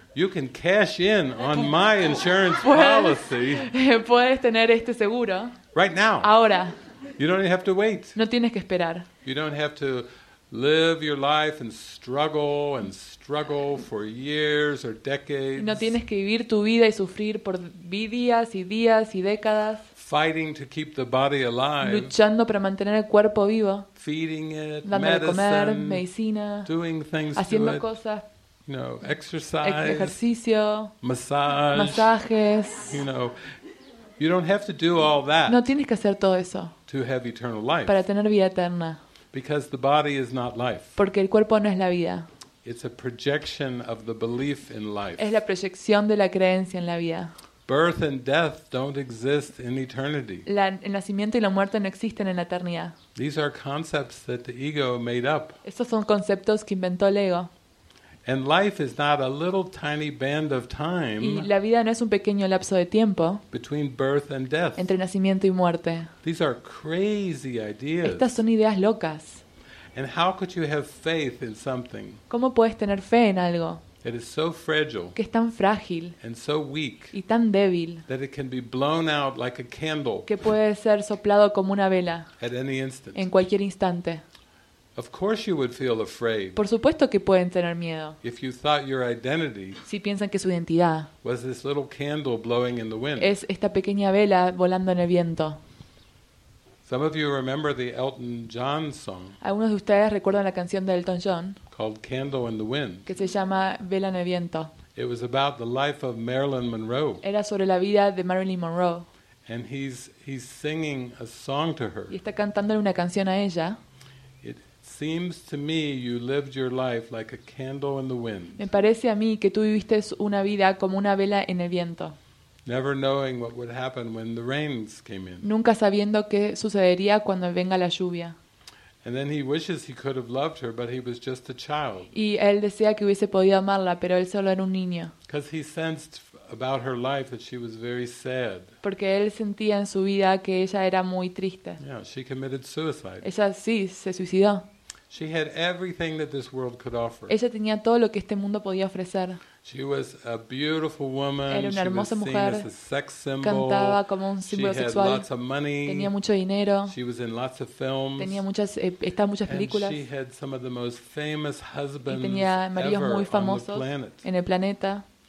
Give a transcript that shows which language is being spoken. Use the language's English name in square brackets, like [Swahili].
[English] You can cash in on my insurance policy. [Spanish] Puedes tener este seguro. [English] Right now. [Spanish] Ahora. [English] You don't have to wait. [Spanish] No tienes que esperar. [English] You don't have to live your life and struggle for years or decades. [Spanish] No tienes que vivir tu vida y sufrir por días y días y décadas. [English] Fighting to keep the body alive. [Spanish] Luchando para mantener el cuerpo vivo. [English] Feeding it. [Spanish] Dándole [English] medicine, [Spanish] comer, medicina. [English] Doing things to it. [Spanish] Haciendo cosas. [English] You know, exercise, [Spanish] ejercicio, [English] massage, [Spanish] masajes. [English] You know, you don't have to do all that. [Spanish] No tienes que hacer todo eso. [English] To have eternal life. [Spanish] Para tener vida eterna. [English] Because the body is not life. [Spanish] Porque el cuerpo no es la vida. [English] It's a projection of the belief in life. [Spanish] Es la proyección de la creencia en la vida. [English] Birth and death don't exist in eternity. [Spanish] El nacimiento y la muerte no existen en la eternidad. [English] These are concepts that the ego made up. [Spanish] Estos son conceptos que inventó el ego. [English] And life is not a little tiny band of time. [Spanish] Y la vida no es un pequeño lapso de tiempo. [English] Between birth and death. [Spanish] Entre nacimiento y muerte. [English] These are crazy ideas. [Spanish] Estas son ideas locas. [English] And how could you have faith in something? [Spanish] ¿Cómo puedes tener fe en algo? [English] It is so fragile. [Spanish] Que es tan frágil. [English] And so weak. [Spanish] Y tan débil. [English] That it can be blown out like a candle. [Spanish] Que puede ser soplado como una vela. [English] At any instant. [Spanish] En cualquier instante. [English] Of course you would feel afraid. [Spanish] Por supuesto que pueden tener miedo. [English] If you thought your identity. [Spanish] Si piensan que su identidad. [English] Was this little candle blowing in the wind. [Spanish] Es esta pequeña vela volando en el viento. [English] Some of you remember the Elton John song. [Spanish] Algunos de ustedes recuerdan la canción de Elton John. [English] Called Candle in the Wind. [Spanish] Que se llama Vela en el viento. [English] It was about the life of Marilyn Monroe. [Spanish] Era sobre la vida de Marilyn Monroe. [English] And he's singing a song to her. [Spanish] Y está cantándole una canción a ella. [English] Seems to me you lived your life like a candle in the wind. [Spanish] Me parece a mí que tú viviste una vida como una vela en el viento. [English] Never knowing what would happen when the rains came in. [Spanish] Nunca sabiendo qué sucedería cuando venga la lluvia. [English] And then he wishes he could have loved her, but he was just a child. [Spanish] Y él desea que hubiese podido amarla, pero él solo era un niño. [English] Because he sensed about her life that she was very sad. [Spanish] Porque él sentía en su vida que ella era muy triste. [English] Yeah, she committed suicide. [Spanish] Ella sí se suicidó. [English] She had everything that this world could offer. [Spanish] Ella tenía todo lo que este mundo podía ofrecer. [English] She was a beautiful woman. [Spanish] Era una hermosa mujer. [English] She was seen as a sex symbol. [Spanish] Cantaba como un símbolo sexual. [English] She had lots of money. [Spanish] Tenía mucho dinero. [English] She was in lots of films. [Spanish] Tenía muchas estaba en muchas películas. [English] And she had some of the most famous husbands. [Spanish] Y tenía maridos muy famosos en el planeta.